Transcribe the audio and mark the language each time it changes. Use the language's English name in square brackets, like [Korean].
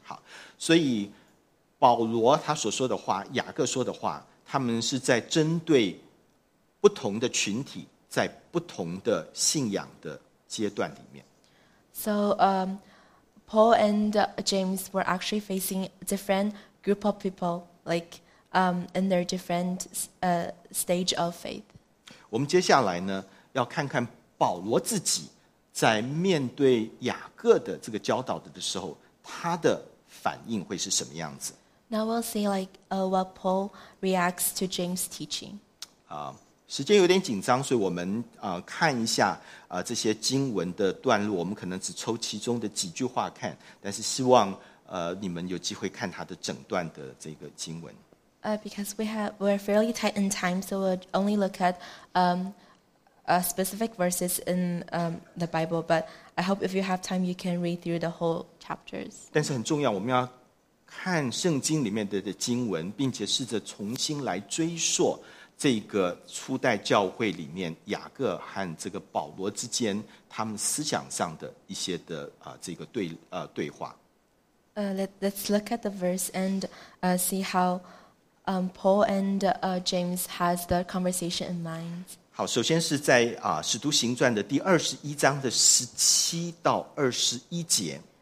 [Chinese] 好，所以保罗他所说的话，雅各说的话，他们是在针对不同的群体，在不同的信仰的阶段里面。 [English] So, Paul and James were actually facing different group of people, like in their different stage of faith. [Chinese] 我们接下来呢，要看看保罗自己。在面对雅各的这个教导的时候，他的反应会是什么样子 [English] ？Now we'll see what Paul reacts to James' teaching. [Chinese] 时间有点紧张，所以我们看一下这些经文的段落，我们可能只抽其中的几句话看，但是希望你们有机会看他的整段的这个经文。 [English] Because we're fairly tight in time, so we'll only look at specific verses in the Bible, but I hope if you have time, you can read through the whole chapters. [Chinese] 但是很重要，我们要看圣经里面的经文，并且试着重新来追溯这个初代教会里面雅各和这个保罗之间他们思想上的一些的这个对话。 [English] Let's look at the verse and see how Paul and James has the conversation in mind. [Chinese] 好，首先是在使徒行传的第21章17-21节。